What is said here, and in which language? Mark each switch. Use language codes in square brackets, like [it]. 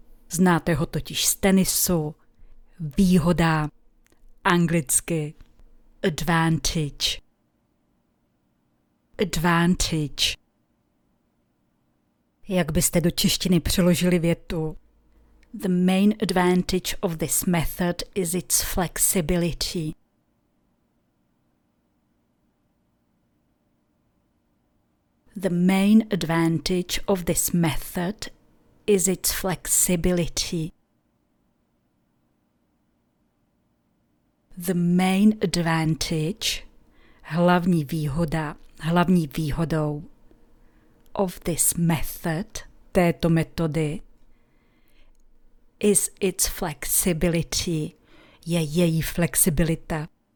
[cs] Znáte ho totiž z tenisu. Výhoda. Anglicky. [en] Advantage. Advantage. [cs] Jak byste do češtiny přeložili větu? [en] The main advantage of this method is its flexibility. The main advantage of this method is its flexibility. The main advantage, [cs] hlavní výhoda, hlavní výhodou [en] of this method, [cs] této metody, [en] is its flexibility, [cs] je její flexibilita.